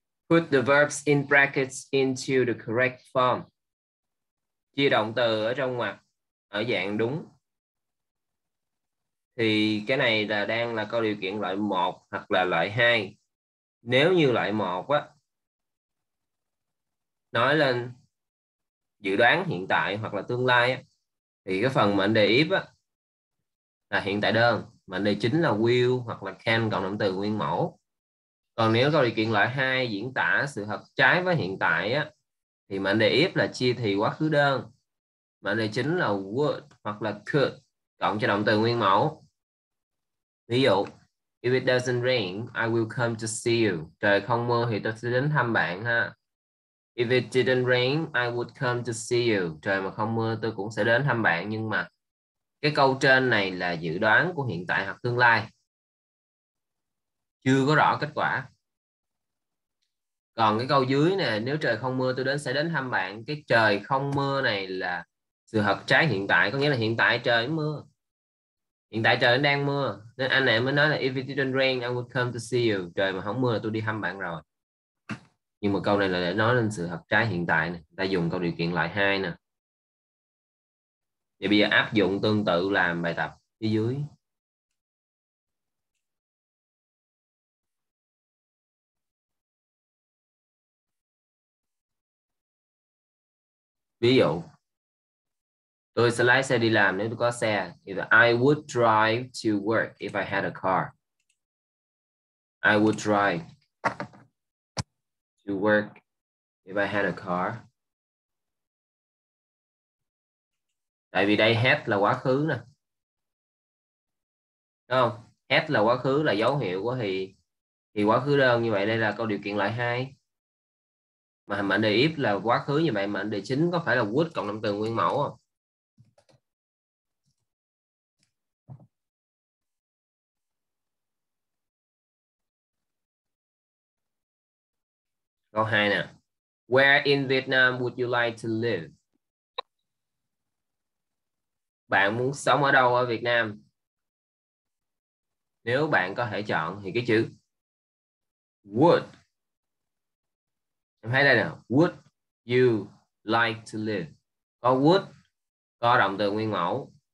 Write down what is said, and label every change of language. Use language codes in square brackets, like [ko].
[en] Put the verbs in brackets into the correct form. [vi] Chia động từ ở trong ngoặc ở dạng đúng. Thì cái này là đang là câu điều kiện loại 1 hoặc là loại 2. Nếu như loại 1 á nói lên dự đoán hiện tại hoặc là tương lai á, thì cái phần mệnh đề if á là hiện tại đơn, mệnh đề chính là will hoặc là can cộng động từ nguyên mẫu. Còn nếu câu điều kiện loại 2 diễn tả sự thật trái với hiện tại á, thì mệnh đề if là chia thì quá khứ đơn, mệnh đề chính là would hoặc là could cộng cho động từ nguyên mẫu. Ví dụ, [en] if it doesn't rain, I will come to see you. [vi] Trời không mưa thì tôi sẽ đến thăm bạn ha. [en] If it didn't rain, I would come to see you. [vi] Trời mà không mưa tôi cũng sẽ đến thăm bạn. Nhưng mà cái câu trên này là dự đoán của hiện tại hoặc tương lai, chưa có rõ kết quả. Còn cái câu dưới nè, nếu trời không mưa tôi đến sẽ đến thăm bạn. Cái trời không mưa này là sự thật trái hiện tại, có nghĩa là hiện tại trời mưa, hiện tại trời đang mưa, nên anh này mới nói là [en] if it didn't rain I would come to see you. [vi] Trời mà không mưa là tôi đi thăm bạn rồi. Nhưng mà câu này là để nói lên sự thật trái hiện tại này. Ta dùng câu điều kiện loại 2 nè. Vậy bây giờ áp dụng tương tự làm bài tập phía dưới. Ví dụ, tôi sẽ lái xe đi làm nếu tôi có xe. [en] Either I would drive to work if I had a car. I would drive to work if I had a car. [vi] Tại vì đây had là quá khứ nè. Đúng không? Had là quá khứ, là dấu hiệu của thì quá khứ đơn. Như vậy đây là câu điều kiện loại 2. Mà mệnh đề if là quá khứ, như vậy mệnh đề chính có phải là would cộng động từ nguyên mẫu không? Câu 2 nè. [en] Where in Vietnam would you like to live? [vi] Bạn muốn sống ở đâu ở Việt Nam? Nếu bạn có thể chọn thì cái chữ would. Em thấy đây nè. [en] Would you like to live? [vi] Có would, có động từ nguyên mẫu.